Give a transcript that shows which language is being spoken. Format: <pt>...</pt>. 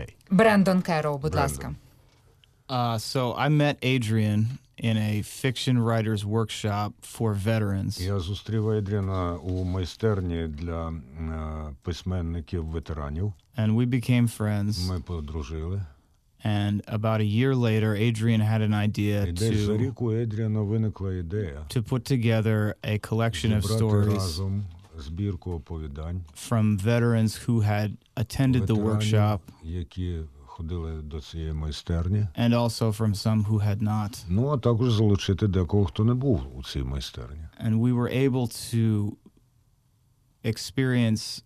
<uk>Брендон Керроу, будь ласка.</uk> <en>So I met Adrian in a fiction writer's workshop for veterans.</en> <uk>Я зустрів Едріана у майстерні для письменників-ветеранів.</uk> <en>And we became friends.</en> <uk>Ми подружили.</uk> <en>And about a year later, Adrian had an idea to put together a collection of stories</en> <uk>разом збірку оповідань</uk> <en>from veterans who had attended the workshop.</en> <uk>Які ходили до цієї майстерні.</uk> <en>And also from some who had not.</en> <uk>Ну, а також залучити декого, хто не був у цій майстерні.</uk> <en>And we were able to experience</en>